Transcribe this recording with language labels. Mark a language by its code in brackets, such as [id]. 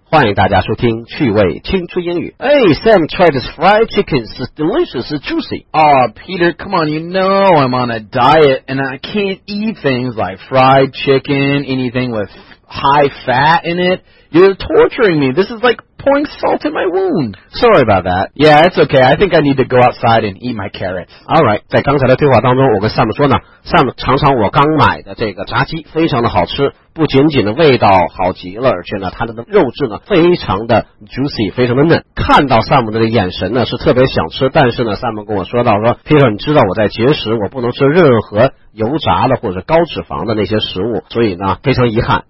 [zh] 欢迎大家收听趣味青春英语。 [en] Hey, Sam, try this fried chicken. It's delicious. It's juicy. Aw, Peter, come on. You know I'm on a diet, and I can't eat things like fried chicken, anything with high fat in it. You're torturing me. This is like pouring salt in my wound. Sorry about that. Yeah, it's okay. I think I need to go outside and eat my carrots. All right. [zh] 在刚才的对话当中，我跟 Sam 说呢， Sam 尝尝我刚买的这个炸鸡，非常的好吃。不仅仅的味道好极了，而且呢，它的肉质呢非常的 juicy， 非常的嫩。看到 Sam 的眼神呢是特别想吃，但是呢 ，Sam 跟我说到说 ，Peter， 你知道我在节食，我不能吃任何油炸的或者高脂肪的那些食物，所以呢非常遗憾。